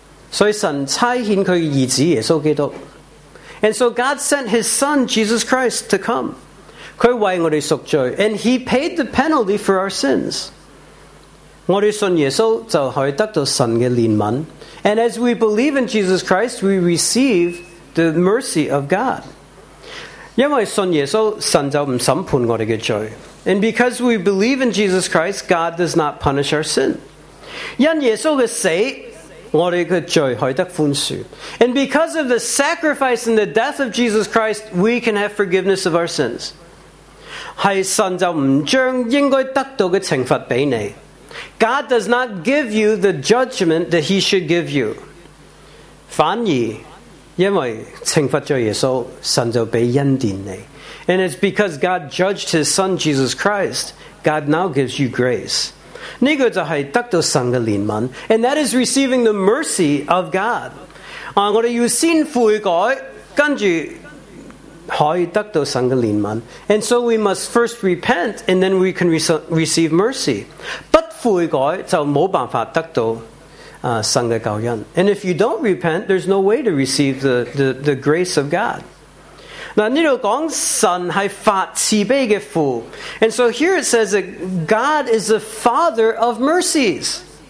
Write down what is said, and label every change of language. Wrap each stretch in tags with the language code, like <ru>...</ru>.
<zh>所以神差遣他的儿子耶稣基督</zh> <en>and so God sent his son Jesus Christ to come</en> <zh>他为我们赎罪</zh> <en>and he paid the penalty for our sins</en> <zh>我们信耶稣就可以得到神的怜悯</zh> <en>and as we believe in Jesus Christ we receive the mercy of God</en> <zh>因为信耶稣，神就不审判我们的罪。</zh> <en>And because we believe in Jesus Christ, God does not punish our sin.</en> <zh>因耶稣的死，我们的罪可以得宽恕。</zh> <en>And because of the sacrifice and the death of Jesus Christ, we can have forgiveness of our sins.</en> <zh>是神就不将应该得到的惩罚给你。</zh> <en>God does not give you the judgment that he should give you.</en> <zh>反而因为惩罚了耶稣，神就给恩典你。</zh> <en>And it's because God judged his son Jesus Christ, God now gives you grace.</en> <zh>这个就是得到神的怜悯。</zh> <en>And that is receiving the mercy of God.</en> <zh>我们要先悔改，跟着可以得到神的怜悯。</zh> <en>And so we must first repent, and then we can receive mercy.</en> <zh>不悔改就没办法得到神的救恩</zh> <en>and if you don't repent, there's no way to receive the grace of God.</en> <zh>那这里说神是发慈悲的父</zh> <en>and so here it says that God is the Father of mercies.</en>